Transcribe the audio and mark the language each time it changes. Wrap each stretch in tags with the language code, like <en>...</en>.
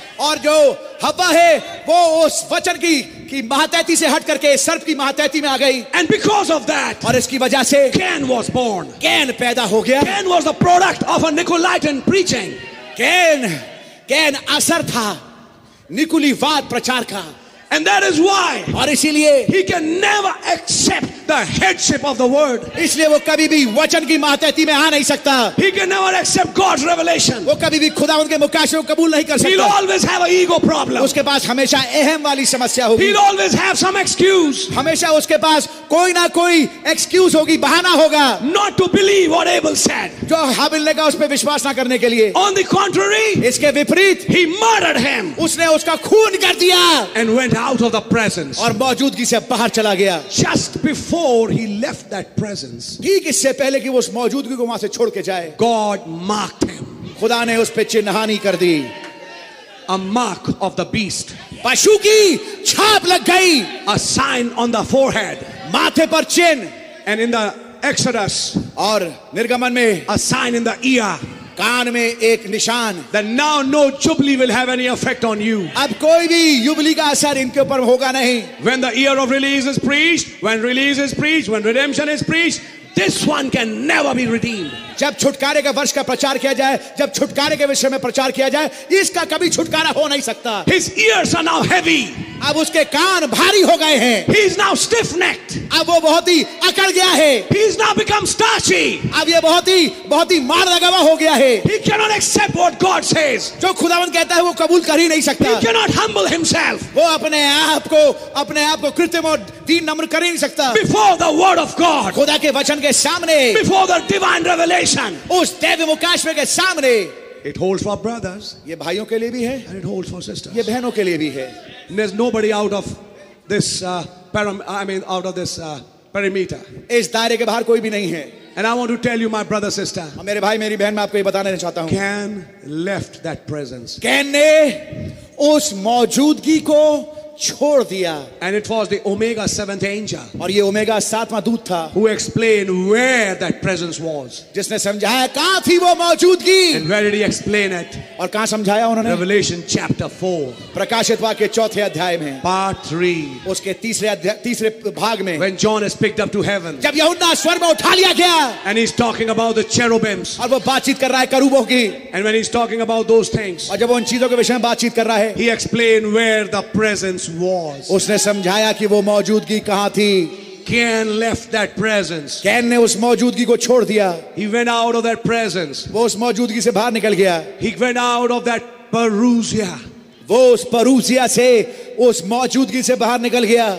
<hi>और जो हव्वा है वो उस वचन की महातैती से हट करके सर्प की महातैती में आ गई।</hi> <en>And because of that,</en> <hi>और इसकी वजह से</hi> <en>Cain was born.</en> <hi>Cain पैदा हो गया।</hi> <en>Cain was the product of a Nicolaitan preaching.</en> <hi>Cain असर था निकुलीवाद प्रचार का।</hi> <en>And that is why</en> <hi>और इसीलिए</hi> <en>he can never accept the headship of the word.</en> <hi>इसलिए वो कभी भी वचन की महातैती में आ नहीं सकता।</hi> <en>He can never accept God's revelation.</en> <hi>वो कभी भी खुदा उनके मुकाशे को कबूल नहीं कर सकता।</hi> <en>He'll always have an ego problem.</en> <hi>उसके पास हमेशा अहम वाली समस्या होगी।</hi> <en>He'll always have some excuse.</en> <hi>हमेशा उसके पास कोई ना कोई एक्सक्यूज होगी, बहाना होगा।</hi> <en>Not to believe what Abel said.</en> <hi>जो हाबिल ने कहा उस पे विश्वास ना करने के लिए।</hi> <en>On the contrary,</en> <hi>इसके विपरीत</hi> <en>he murdered him.</en> <hi>उसने उसका खून कर दिया।</hi> <en>And went out of the presence.</en> <hi>और मौजूदगी से बाहर चला गया।</hi> <en>Just before he left that presence,</en> <hi>ठीक इससे पहले कि वो उस मौजूदगी को वहां से छोड़ के जाए,</hi> <en>God marked him.</en> <hi>खुदा ने उस पे चिन्हानी कर दी।</hi> <en>A mark of the beast.</en> <hi>पशु की छाप लग गई।</hi> <en>A sign on the forehead.</en> <hi>माथे पर चिन्ह।</hi> <en>And in the Exodus,</en> <hi>और निर्गमन में,</hi> <en>a sign in the ear.</en> <hi>कान में एक निशान।</hi> <en>Then now no jubilee will have any effect on you.</en> <hi>अब कोई भी युबली का असर इनके ऊपर होगा नहीं।</hi> <en>When the year of release is preached, when redemption is preached, this one can never be redeemed.</en> <hi>जब छुटकारे का वर्ष का प्रचार किया जाए, जब छुटकारे के विषय में प्रचार किया जाए, इसका कभी छुटकारा हो नहीं सकता।</hi> <en>His ears are now heavy.</en> <hi>अब उसके कान भारी हो गए हैं।</hi> <en>He is now stiff-necked.</en> <hi>अब वो बहुत ही अकड़ गया है।</hi> <en>He is now become starchy.</en> <hi>अब ये बहुत ही मार लगा हुआ हो गया है।</hi> <en>He cannot accept what God says.</en> <hi>जो खुदावंद कहता है वो कबूल कर ही नहीं सकता।</hi> <en>He cannot humble himself.</en> <hi>वो अपने आप को कृत्रिम और दीन नम्र कर ही नहीं सकता।</hi> <en>Before the word of God.</en> <hi>खुदा के वचन के सामने।</hi> <en>Before the divine revelation.</en> <hi>उस दैव्य मुकाशवे के सामने।</hi> <en>It holds for brothers.</en> <hi>ये भाइयों के लिए भी है।</hi> <en>And it holds for sisters.</en> <hi>ये बहनों के लिए भी है।</hi> <en>There's nobody out of this out of this perimeter.</en> <hi>इस दायरे के बाहर कोई भी नहीं है।</hi> <en>And I want to tell you, my brother, sister.</en> <hi>और मेरे भाई, मेरी बहन, मैं आपको ये बताने चाहता हूँ।</hi> <en>Cain left that presence.</en> <hi>Cain ने उस मौजूदगी को छोड़ दिया।</hi> <en>And it was the Omega seventh angel.</en> <hi>और ये Omega सातवां दूत था।</hi> <en>Who explained where that presence was?</en> <hi>जिसने समझाया कहाँ थी वो मौजूदगी?</hi> <en>And where did he explain it?</en> <hi>और कहाँ समझाया उन्होंने?</hi> <en>Revelation chapter 4.</en> <hi>प्रकाशित वाक्य के चौथे अध्याय में।</hi> <en>Part 3.</en> <hi>उसके तीसरे भाग में।</hi> <en>When John is picked up to heaven.</en> <hi>जब यहूदा स्वर्ग में उठा लिया गया।</hi> <en>And he's talking about the cherubims.</en> <hi>और वो बातचीत कर रहा है करूबों की।</hi> <en>And when he's talking about those things.</en> <hi>और जब उन चीजों के विषय में बातचीत कर रहा है।</hi> <en>He explained where the presence was.</en> <hi>उसने समझाया कि वो मौजूदगी कहां थी।</hi> <en>Cain left that presence.</en> <hi>Cain ने उस मौजूदगी को छोड़ दिया।</hi> <en>He went out of that presence.</en> <hi>वो उस मौजूदगी से बाहर निकल गया।</hi> <en>He went out of that parousia.</en> <hi>वो उस परूसिया से उस मौजूदगी से बाहर निकल गया।</hi>